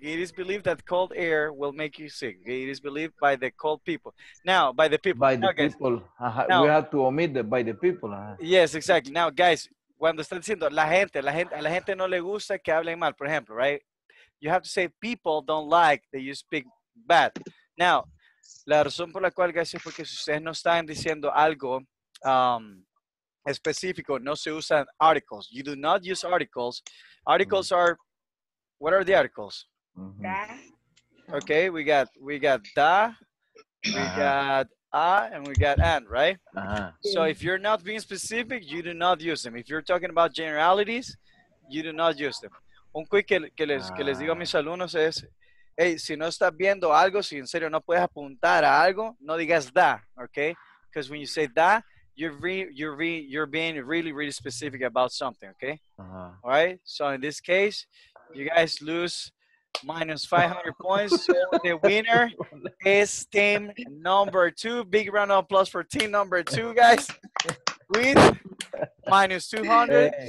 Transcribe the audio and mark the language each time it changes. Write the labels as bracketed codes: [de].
[en] It is believed that cold air will make you sick. It is believed by the cold people. Now, by the people. By the people. Uh-huh. Now, we have to omit the by the people. Uh-huh. Yes, exactly. [es] Now, guys, cuando están diciendo la gente no le gusta que hablen mal, por ejemplo, right? [en] You have to say people don't like that you speak bad. [es] Now, la razón por la cual, guys, es porque si ustedes no están diciendo algo específico, no se usan articles. [en] You do not use articles. Articles mm-hmm. are What are the articles? Mm-hmm. Da. Okay, we got da, we got a, and we got and, right? Uh-huh. So if you're not being specific, you do not use them. If you're talking about generalities, you do not use them. [es] Un quick que les digo a mis alumnos es, hey, si no estás viendo algo, si en serio no puedes apuntar a algo, no digas da, okay? [en] Because when you say da, you're being really, really specific about something, okay? Uh-huh. All right? So in this case, you guys lose minus 500 points. So the winner is team number two. Big round of applause for team number two, guys. With minus 200. Hey.